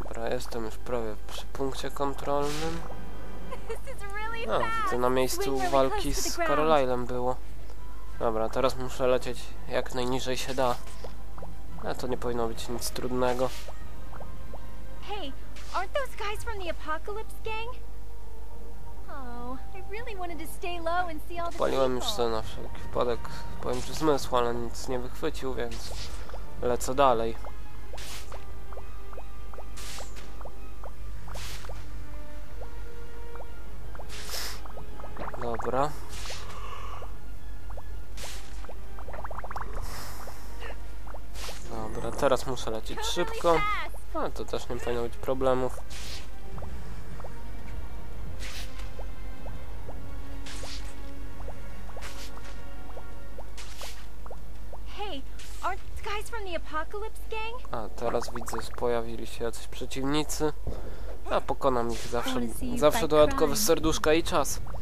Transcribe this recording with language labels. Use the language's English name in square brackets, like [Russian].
[Polish] Jestem już prawie przy punkcie kontrolnym. A, widzę, na miejscu walki z Carlylem było. Dobra, teraz muszę lecieć jak najniżej się da. A to nie powinno być nic trudnego. [English] Hey, aren't those guys from the Apocalypse Gang? Oh, I really wanted to stay low and see all the. [Polish] Paliłem już sobie na wszelki wypadek, powiem, że zmysł, ale nic nie wychwycił, więc lecę dalej. Dobra. Dobra, teraz muszę lecieć szybko. A to też nie powinno być problemów. [English] Hey, are the guys from the Apocalypse Gang? [Polish] A teraz widzę, pojawili się jacyś przeciwnicy. Ja pokonam ich zawsze. Zawsze dodatkowe serduszka i czas.